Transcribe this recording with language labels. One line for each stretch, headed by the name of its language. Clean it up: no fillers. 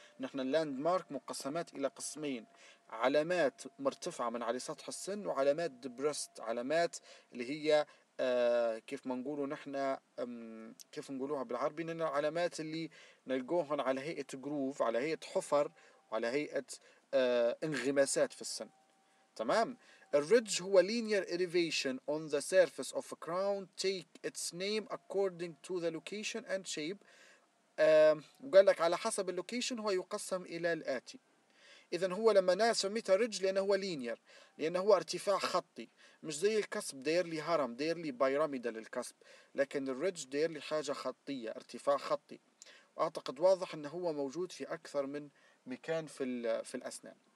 Arabic: نحن اللاند مارك مقسمات إلى قسمين، علامات مرتفعة من على سطح السن وعلامات ديبرست، علامات اللي هي كيف ما نقوله نحن، كيف نقولوها بالعربي، إن العلامات اللي نلقوهن على هيئة جروف، على هيئة حفر، وعلى هيئة انغماسات في السن. تمام؟ الريدج هو
English: linear elevation on the surface of a crown take its name according to the location and shape.
Arabic: وقال لك على حسب اللوكيشن هو يقسم إلى الآتي. إذن هو لما ناس سميته ريدج لأنه هو linear، لأنه هو ارتفاع خطي، مش زي الكسب داير لي هرم، داير لي بيراميدا للكسب، لكن الريدج داير لي حاجة خطية، ارتفاع خطي. وأعتقد واضح أنه هو موجود في أكثر من مكان في الأسنان.